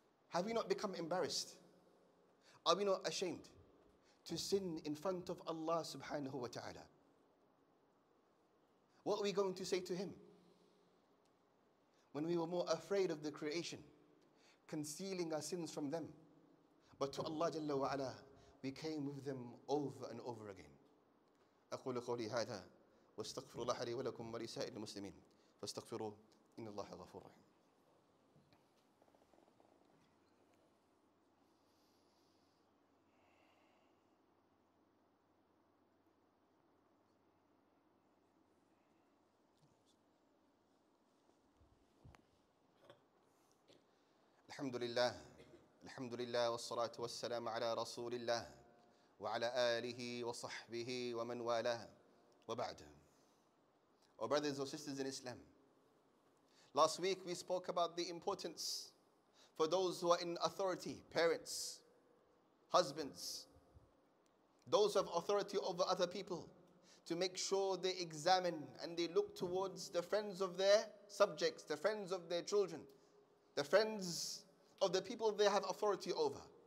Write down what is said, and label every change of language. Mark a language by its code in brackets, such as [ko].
[en] Have we not become embarrassed? Are we not ashamed to sin in front of Allah subhanahu wa ta'ala? What are we going to say to him when we were more afraid of the creation, concealing our sins from them, but to Allah jalla wa ala, we came with them over and over again? [ar] أقول قولي هذا واستغفر الله لي ولكم ولسائر المسلمين فاستغفروا إن الله غفور رحيم. الحمد لله الحمد لله والصلاة والسلام على رسول الله وعلى آله وصحبه ومن والاه وبعد. [en] Our brothers or sisters in Islam, last week we spoke about the importance for those who are in authority, parents, husbands, those who have authority over other people, to make sure they examine and they look towards the friends of their subjects, the friends of their children, the friends of the people they have authority over.